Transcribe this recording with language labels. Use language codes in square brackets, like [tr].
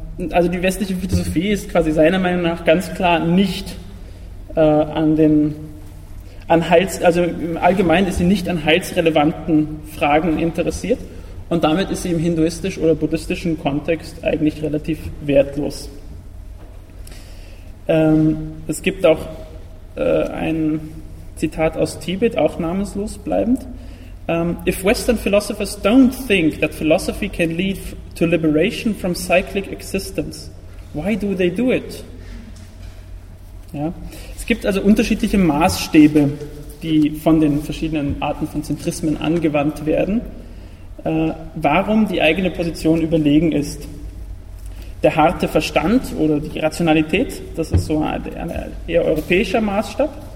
[de] Also die westliche Philosophie ist quasi seiner Meinung nach ganz klar nicht an heilsrelevanten Fragen interessiert. Und damit ist sie im hinduistisch oder buddhistischen Kontext eigentlich relativ wertlos. Es gibt auch ein Zitat aus Tibet, auch namenslos bleibend. [en] If Western philosophers don't think that philosophy can lead to liberation from cyclic existence, why do they do it? [de] Ja. Es gibt also unterschiedliche Maßstäbe, die von den verschiedenen Arten von Zentrismen angewandt werden, warum die eigene Position überlegen ist. Der harte Verstand oder die Rationalität, das ist so ein eher europäischer Maßstab.